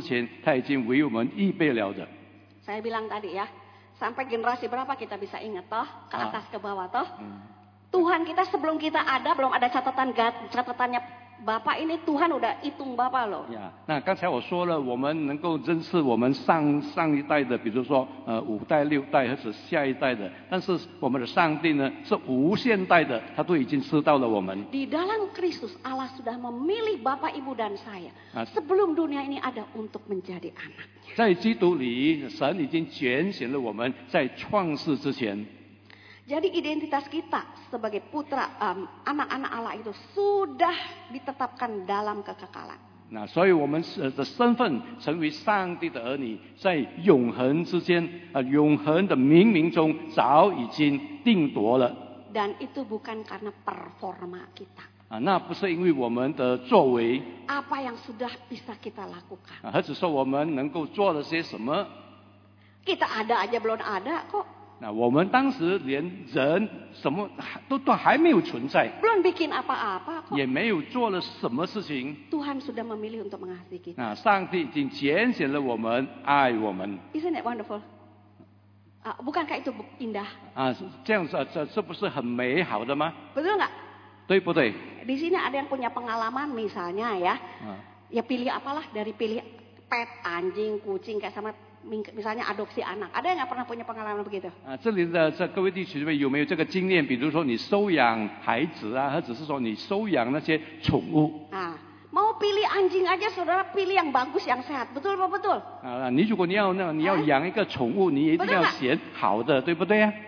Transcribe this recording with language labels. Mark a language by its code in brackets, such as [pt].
[zh] 上帝所要赐给我们的恩典啊，在我们还没有出生之前，或者是说创世之前，他已经为我们预备了的。 [id] Saya bilang tadi ya, sampai generasi berapa kita bisa ingat toh, ke atas ke bawah toh. Tuhan kita sebelum kita ada belum ada catatannya. Bapak ini Tuhan udah hitung Bapak loh. [zh] Ya, nah, 刚才我说了，我们能够认识我们上一代的，比如说五代六代或者下一代的，但是我们的上帝呢是无限代的，他都已经知道了我们。 [id] Di dalam Kristus Allah sudah memilih Bapak Ibu dan saya sebelum dunia ini ada untuk menjadi anak. [zh] 在基督里，神已经拣选了我们在创世之前。 [id] Jadi identitas kita sebagai putra anak-anak Allah itu sudah ditetapkan dalam kekekalan. [zh] Nah, 所以我们的身份成为上帝的儿女，在永恒之间，永恒的冥冥中早已经定夺了。 [id] Dan itu bukan karena performa kita. [zh] 那不是因为我们的作为。 [id] Apa yang sudah bisa kita lakukan? [zh] 或者说我们能够做了些什么？ [id] Kita ada aja belum ada kok. [zh] 那我们当时连人什么都还没有存在， [id] belum bikin apa-apa， [zh] 也没有做了什么事情。 [id] Tuhan sudah memilih untuk mengasihi kita。 [zh] 那上帝已经拣选了我们，爱我们。 [en] Isn't it wonderful？ [id] Bukankah itu indah？ [zh] 啊，这样子，这不是很美好的吗？ [id] Betul nggak？ [zh] 对不对？ [id] Di sini ada yang punya pengalaman misalnya ya， 啊，ya pilih apalah dari pilih pet anjing kucing kayak sama。 Misalnya adopsi anak, ada yang nggak pernah punya pengalaman begitu? [zh] 啊，这里的这各位弟兄们有没有这个经验？比如说你收养孩子啊，或者是说你收养那些宠物。 [id] Mau pilih anjing aja saudara pilih yang bagus yang sehat, betul apa betul? [zh] 啊，你如果你要养一个宠物，你一定要选好的，对不对呀？